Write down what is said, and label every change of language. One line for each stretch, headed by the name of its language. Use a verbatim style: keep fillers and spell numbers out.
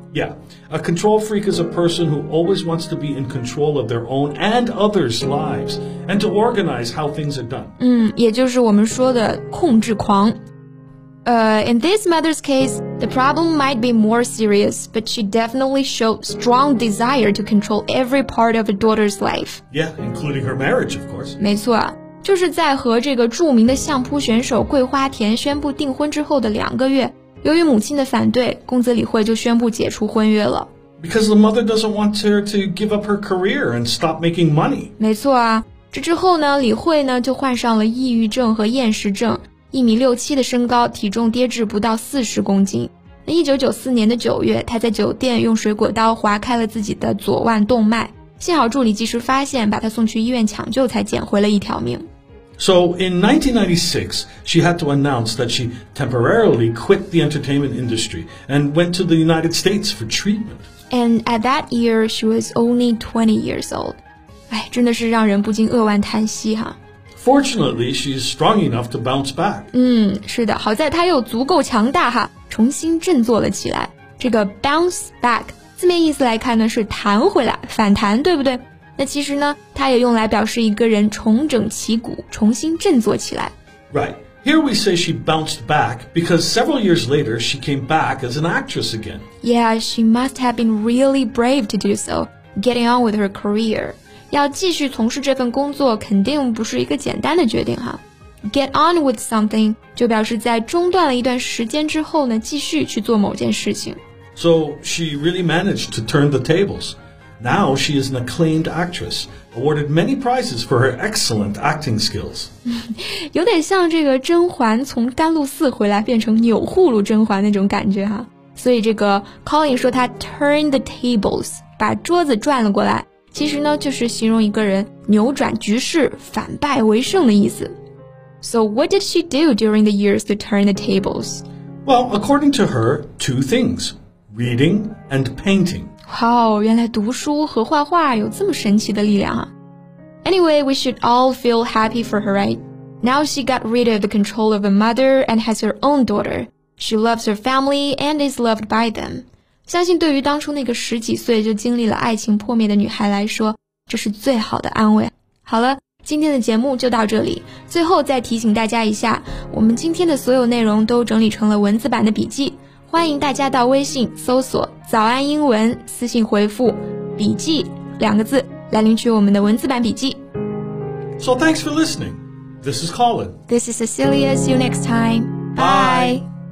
English: Yeah. A control freak is a person who always wants to be in control of their own and others' lives and to organize how things are done.
Chinese: 嗯，也就是我们说的控制狂。
English: Uh, in this mother's case, the problem might be more serious, but she definitely showed strong desire to control every part of her daughter's life. Yeah, including her marriage, of course.
Chinese: 没错，就是在和这个著名的相扑选手桂花田宣布订婚之后的两个月，由于母亲的反对，宫泽理惠就宣布解除婚约了。
English: Because the mother doesn't want her to give up her career and stop making money.
Chinese: 没错啊，这之后呢，理惠呢就患上了抑郁症和厌食症。一米六七的身高，体重跌至不到四十公斤。那一九九四年的九月，他在酒店用水果刀划开了自己的左腕动脉，幸好助理及时发现，把他送去医院抢救，才捡回了一条命。
English: So in nineteen ninety-six, she had to announce that she temporarily quit the entertainment industry and went to the United States for treatment. And at that year, she was only twenty years old.
Chinese: 哎，真的是让人不禁扼腕叹息哈。
English: Fortunately, she's strong enough to bounce back.
Chinese: 嗯，是的，好在她又足够强大哈，重新振作了起来。这个
English: bounce back
Chinese: 字面意思来看呢，是弹回来、反弹，对不对？那其实呢，它也用来表示一个人重整旗鼓、重新振作起来。
English: Right. Here we say she bounced back because several years later she came back as an actress again. Yeah, she must have been really brave to do so, getting on with her career.
Chinese: 要继续从事这份工作肯定不是一个简单的决定哈。
English: Get on with something
Chinese: 就表示在中断了一段时间之后呢，继续去做某件事情。
English: So she really managed to turn the tables. Now she is an acclaimed actress, awarded many prizes for her excellent acting skills.
Chinese: 有点像这个甄嬛从甘露寺回来变成钮祜禄甄嬛那种感觉哈。所以这个 Colin 说她
English: turn the tables
Chinese: 把桌子转了过来。其实呢，就是形容一个人扭转局势、反败为胜的意思。
English: So what did she do during the years to turn the tables? Well, according to her, two things: reading and painting.
Chinese: 哇，原来读书和画画有这么神奇的力量啊 ！
English: Anyway, we should all feel happy for her, right? Now she got rid of the control of her mother and has her own daughter. She loves her family and is loved by them.
Chinese: 相信对于当初那个十几岁就经历了爱情破灭的女孩来说，这是最好的安慰。好了，今天的节目就到这里。最后再提醒大家一下，我们今天的所有内容都整理成了文字版的笔记，欢迎大家到微信搜索早安英文，私信回复笔记两个字来领取我们的文字版笔记。
English: So thanks for listening. This is Colin. This is Cecilia. See you next time. Bye. Bye.